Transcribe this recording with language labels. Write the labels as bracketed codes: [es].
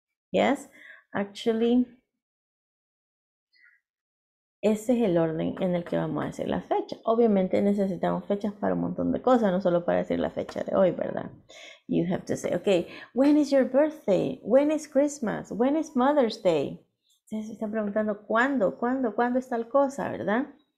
[en] Yes, actually, [es] ese es el orden en el que vamos a decir la fecha. Obviamente necesitamos fechas para un montón de cosas, no solo para decir la fecha de hoy, ¿verdad? [en] You have to say, okay, when is your birthday? When is Christmas? When is Mother's Day? [es] Se están preguntando, ¿cuándo es tal cosa, verdad?